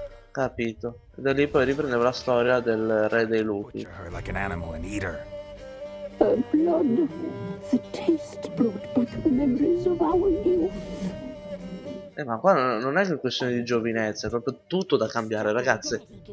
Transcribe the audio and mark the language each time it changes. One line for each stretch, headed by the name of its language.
Italian: Capito. E da lì poi riprendeva la storia del re dei lupi.
English: Like an animal and eat her. Her blood, the taste brought back the memories of our youth.
Italian: Ma qua non è che questione di giovinezza, è proprio tutto da cambiare, ragazze.